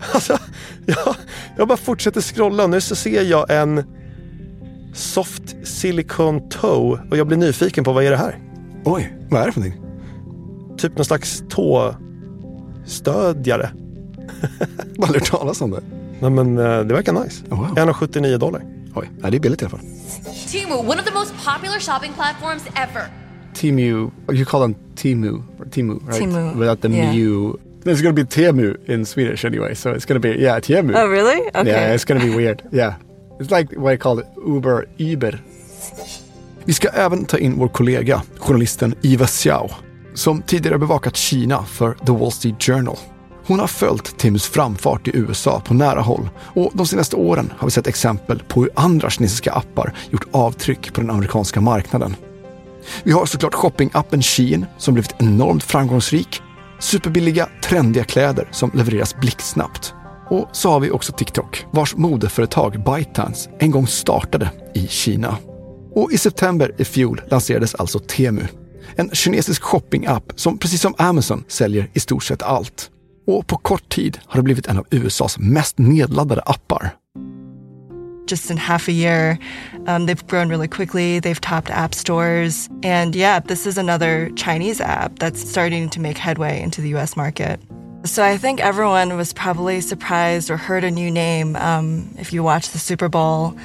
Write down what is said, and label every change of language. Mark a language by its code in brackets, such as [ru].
[sv] Alltså, jag bara fortsätter scrolla och nu så ser jag en [en] soft silicon toe [sv] och jag blir nyfiken på vad är det här? Oj, vad är det för någonting? Typ någon slags tåstödjare. Vad lurt talas om det? Nej men det verkar nice. Wow. $179. Oj, nej, det är billigt i alla fall. [en] Temu, one of the most popular shopping platforms ever. Temu, you call them Temu, or Temu, right? Temu, without the yeah. Mu. It's going to be Temu in Swedish anyway, so it's going to be, yeah, Temu. Oh, really? Okay. Yeah, it's going to be weird, yeah. It's like what I call it, Uber. [sv] Vi ska även ta in vår kollega, journalisten Iva Xiao, som tidigare bevakat Kina för The Wall Street Journal. Hon har följt Temus framfart i USA på nära håll och de senaste åren har vi sett exempel på hur andra kinesiska appar gjort avtryck på den amerikanska marknaden. Vi har såklart shoppingappen Shein som blivit enormt framgångsrik, superbilliga, trendiga kläder som levereras blixtsnabbt. Och så har vi också TikTok, vars modeföretag ByteDance en gång startade i Kina. Och i september i fjol lanserades alltså Temu, en kinesisk shoppingapp som precis som Amazon säljer i stort sett allt. Och på kort tid har det blivit en av USA:s mest nedladdade appar. [en] Just in half a year, they've grown really quickly. They've topped app stores. And yeah, this is another Chinese app that's starting to make headway into the US market. So I think everyone was probably surprised or heard a new name if you watch the Super Bowl.